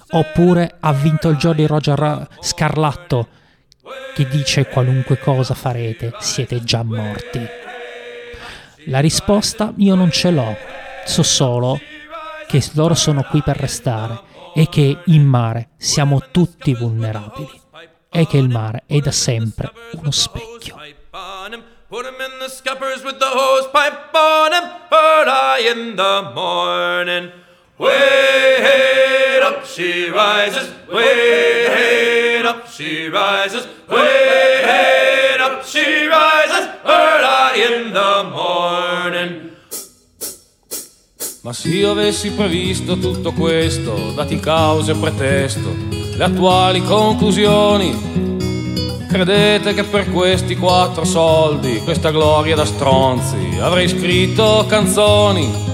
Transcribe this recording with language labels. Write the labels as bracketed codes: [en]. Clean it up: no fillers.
[it] Oppure ha vinto il Jolly Roger scarlatto, che dice: qualunque cosa farete, siete già morti? La risposta io non ce l'ho. So solo che loro sono qui per restare e che in mare siamo tutti vulnerabili e che il mare è da sempre uno specchio. [en] Put 'em in the scuppers with the hose pipe on 'em, bird eye in the morning. Way up she rises, way up she rises, way up she rises, bird eye in the morning. [it] Ma se io avessi previsto tutto questo, dati cause e pretesto, le attuali conclusioni, credete che per questi quattro soldi, questa gloria da stronzi, avrei scritto canzoni?